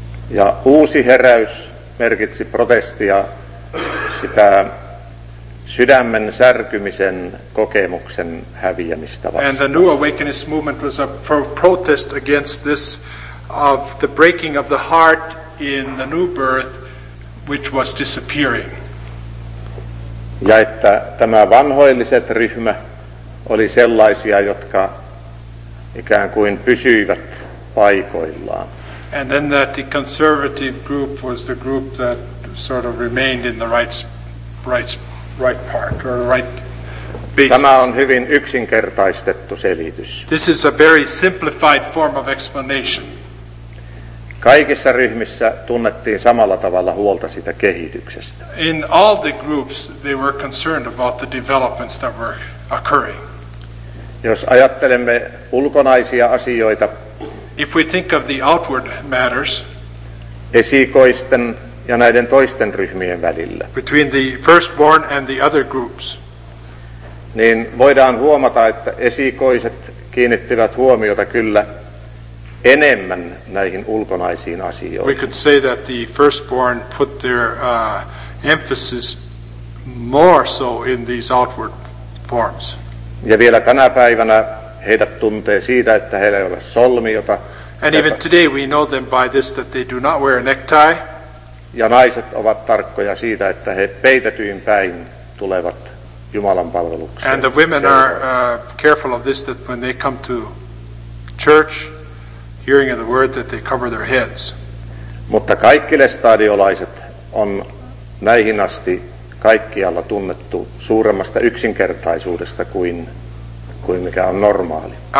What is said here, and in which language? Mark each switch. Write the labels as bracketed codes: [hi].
[fi] Ja uusi heräys merkitsi protestia sitä sydämen särkymisen kokemuksen häviämistä vastaan. [en] And the new awakening movement was a protest against this of the breaking of the heart in the new birth, which was disappearing. [fi] Ja että tämä vanhoilliset ryhmä oli sellaisia, jotka ikään kuin pysyivät paikoillaan. [en] And then that the conservative group was the group that sort of remained in the right part or right basis. [fi] Tämä on hyvin yksinkertaistettu selitys. [en] This is a very simplified form of explanation. [fi] Kaikissa ryhmissä tunnettiin samalla tavalla huolta siitä kehityksestä. [en] In all the groups they were concerned about the developments that were occurring. [fi] Jos ajattelemme ulkonaisia asioita, [en] if we think of the outward matters, [fi] esikoisten ja näiden toisten ryhmien välillä, [en] between the firstborn and the other groups, [fi] niin voidaan huomata, että esikoiset kiinnittivät huomiota kyllä enemmän näihin ulkonaisiin asioihin. [en] We could say that the firstborn put their emphasis more so in these outward forms. [fi] Ja vielä tänä päivänä heidät tuntee siitä, että heillä ei ole solmiota. [en] And even today we know them by this that they do not wear a necktie. [fi] Ja naiset ovat tarkkoja siitä, että he peitetyin päin tulevat Jumalan palvelukseen. [en] And the women are careful of this that when they come to church, hearing of the word, that they cover their heads. [fi] Mutta kaikki lestadiolaiset on näihin asti kaikkialla tunnettu suuremmasta yksinkertaisuudesta kuin mikä on normaali.